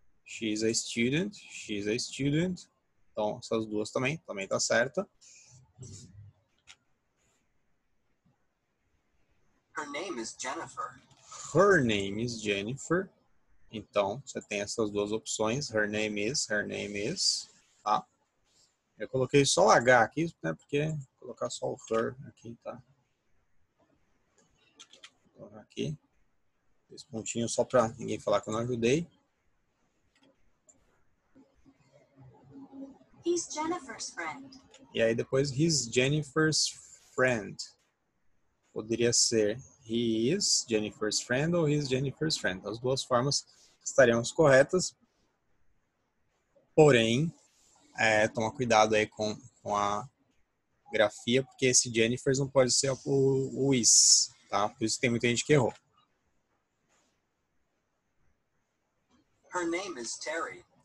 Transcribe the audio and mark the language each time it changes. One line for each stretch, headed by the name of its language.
English: She's a student, she's a student.
Portuguese: Então, essas duas também tá certa.
English: Her name is Jennifer. Her name is Jennifer.
Portuguese: Então, você tem essas duas opções.
English: Her name is.
Portuguese: Tá? Eu coloquei só o H aqui, né? Porque vou colocar só o her aqui, tá? Vou colocar aqui. Esse pontinho só para ninguém falar que eu não ajudei.
English: He's Jennifer's friend.
Portuguese: E aí depois,
English: he's Jennifer's friend.
Portuguese: Poderia ser
English: he is Jennifer's friend
Portuguese: ou
English: he's Jennifer's friend.
Portuguese: As duas formas estariam corretas. Porém, toma cuidado aí com a grafia, porque esse Jennifer's não pode ser o is, tá? Por isso que tem muita gente que errou.
English: Her name is Terry.